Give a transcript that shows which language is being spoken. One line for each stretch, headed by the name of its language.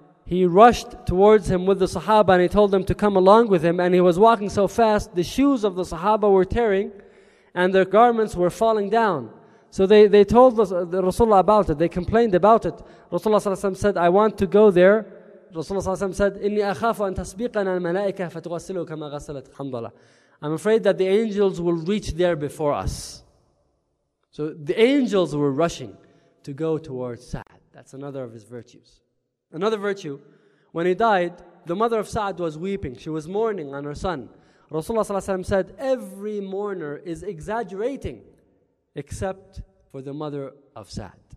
English: he rushed towards him with the Sahaba and he told them to come along with him, and he was walking so fast, the shoes of the Sahaba were tearing and their garments were falling down. So they told the Rasulullah about it. They complained about it. Rasulullah ﷺ said, I want to go there. Rasulullah ﷺ said,
Arabic: إِنِّي أَخَافُ أَن تَسْبِيقَنَا الْمَلَائِكَةَ فَتُغَسِّلُوا كَمَا غَسَّلَتْ حَمْضَلَةً.
English: I'm afraid that the angels will reach there before us. So the angels were rushing to go towards Sa'd. That's another of his virtues. Another virtue, when he died, the mother of Sa'd was weeping. She was mourning on her son. Rasulullah ﷺ said, every mourner is exaggerating except for the mother of Sa'd.